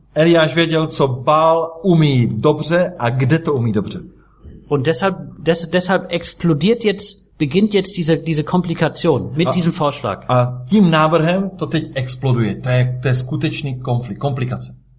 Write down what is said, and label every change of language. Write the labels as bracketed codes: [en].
[cs] Eliáš věděl, co Baal umí dobře a kde to umí dobře. [de] Und deshalb explodiert jetzt beginnt jetzt diese Komplikation mit diesem Vorschlag. [cs] A tím návrhem to teď exploduje. To je skutečný konflikt, komplikace.